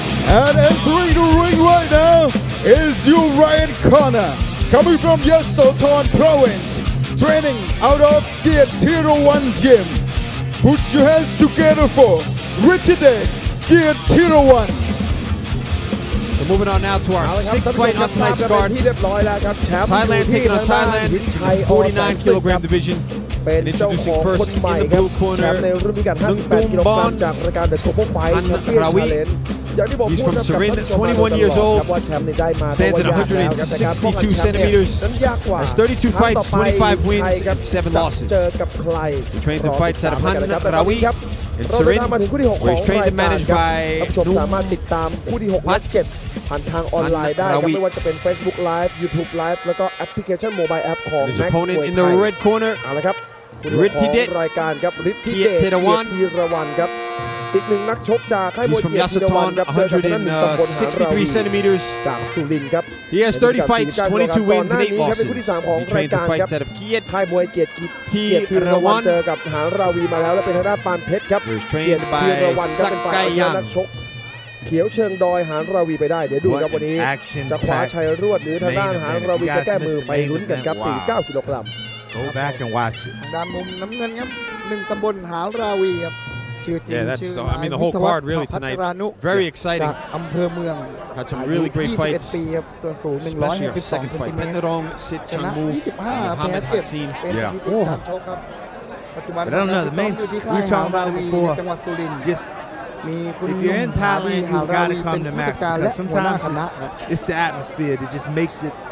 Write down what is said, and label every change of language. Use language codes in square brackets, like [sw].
[en] And entering the ring right now is your right corner, coming from Yeso Thorn Province, training out of the Tiro 1 Gym. Put your hands together for Richie Day, Gear Tiro 1. So moving on now to our sixth fight on tonight's card. Thailand taking on Thailand in the 49 kilogram division. [th] เป็นเจ้าของคนใหม่ครับแชมป์ในรุ่นพิกัด58กิโลกรัมจากรายการ The Global Fight Champion Challenge อย่างที่ผมพูดนะครับ [en] 21 years old [th] ครับว่าแชมป์นี่ได้มา ตัวใหญ่นะครับ162 centimeters นั้นยากกว่า [en] 32 fights 25 wins 7 losses [th] เจอกับใคร [en] Trains and fights out of Han Rawi and Surin where he's trained and managed by [th] ท่านสามารถติดตามคู่ที่6และ7ผ่านทางออนไลน์ได้ครับไม่ว่าจะเป็น Facebook Live YouTube Live แล้วก็แอปพลิเคชัน Mobile App ของ [en] His opponent in the red corner [th] เอาละครับ ฤทธิเดช รายการครับฤทธิเดช ธีรวรรณครับอีกหนึ่งนักชกจากค่ายมวยธีรวรรณครับ [en] 163 centimeters [th] จากสุรินทร์ครับ [en] He has 30 fights 22 wins and 8 losses [th] ของรายการครับ จาก ค่ายมวยเกียรติธีรวรรณเจอกับหานราวีมาแล้วและเป็นทางด้านปานเพชรครับ [en] He is trained by ธีรวรรณ [th] ครับเป็นฝ่าย นักชก เขียวเชิงดอยหานราวีไปได้เดี๋ยวดูครับวันนี้จะคว้าชัยรวดหรือทางด้านหานราวีจะแก้มือไปลุ้นกันครับ49กิโลกรัม [en] Go back and watch it. [th] ด้านมุมน้ำเงินครับหนึ่งตำบลหาราวีครับชื่อจริงชื่อ [en] I mean the whole card really tonight very exciting [th] อำเภอเมือง [en] Had some really great fights. Especially your second fight. Pen Nerong Sit Chang Mu Muhammad Haksin. Yeah. But I don't know the main. We were talking about it before. Just if you're in Thailand, you gotta come to Max because sometimes it's the atmosphere that just makes it.